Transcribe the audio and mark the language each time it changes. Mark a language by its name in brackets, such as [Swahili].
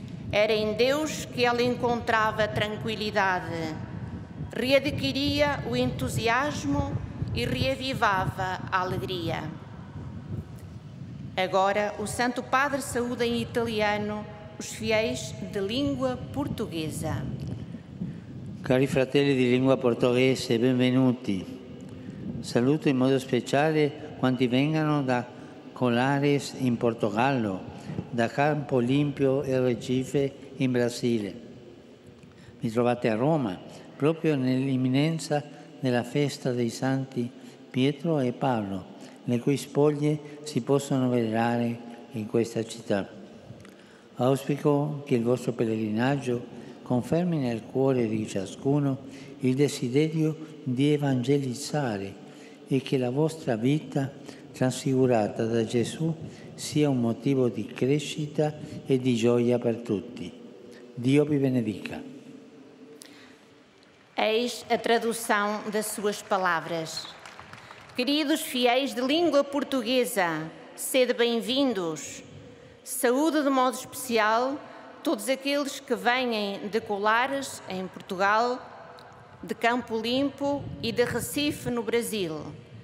[Portuguese] Era em Deus que ela encontrava tranquilidade, readquiria o entusiasmo e reavivava a alegria. Agora o Santo Padre saúda em italiano os fiéis de língua portuguesa. [Italian] Cari fratelli di lingua portoghese, benvenuti. Saluto in modo speciale quanti vengano da Colares in Portogallo, da Campo Limpio e Recife in Brasile. Mi trovate a Roma, proprio nell'imminenza della festa dei Santi Pietro e Paolo, le cui spoglie si possono venerare in questa città. Auspico che il vostro pellegrinaggio confermi nel cuore di ciascuno il desiderio di evangelizzare e che la vostra vita trasfigurata da Gesù sia un motivo di crescita e di gioia per tutti. Dio vi benedica. [Portuguese] Eis a tradução das suas palavras. Queridos fiéis de língua portuguesa, sede bem-vindos. Saúdo de modo especial todos aqueles que vêm de Colares, em Portugal, de Campo Limpo e de Recife, no Brasil.